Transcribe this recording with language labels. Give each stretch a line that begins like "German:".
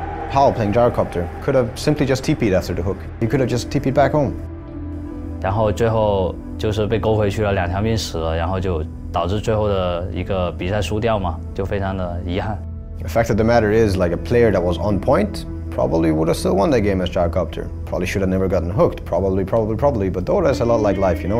English: Hao playing gyrocopter could have simply just TP'd after the hook. He could have just TP'd back home.
Chinese: 然后最后就是被勾回去了，两条命死了，然后就导致最后的一个比赛输掉嘛，就非常的遗憾.
English: The fact of the matter is, like, a player that was on point probably would have still won that game as gyrocopter. Probably should have never gotten hooked. Probably. But Dota is a lot like life, you know?